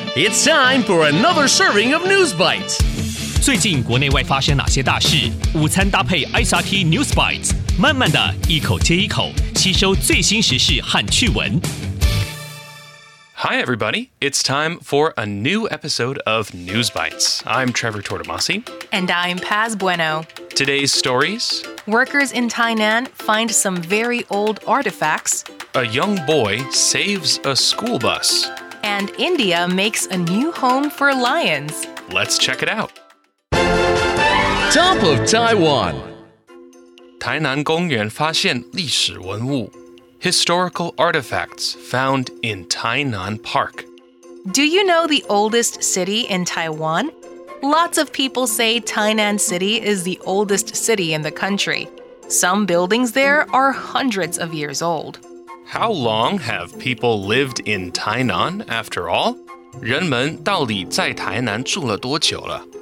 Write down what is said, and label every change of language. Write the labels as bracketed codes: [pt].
[en] It's time for another serving of News Bites. [zh] 最近国内外发生哪些大事？午餐搭配 SRT News Bites， 慢慢的一口接一口，吸收最新时事和趣闻。 [en] Hi everybody, it's time for a new episode of News Bites. I'm Trevor Tortomasi. And I'm Paz Bueno. Today's stories: Workers in Tainan find some very old artifacts. A young boy saves a school bus. And India makes a new home for lions. Let's check it out. Top of Taiwan. [zh] 台南公園發現歷史文物。 [en] Historical artifacts found in Tainan Park. Do you know the oldest city in Taiwan? Lots of people say Tainan City is the oldest city in the country. Some buildings there are hundreds of years old. How long have people lived in Tainan, after all? [zh] 人们到底在台南住了多久了?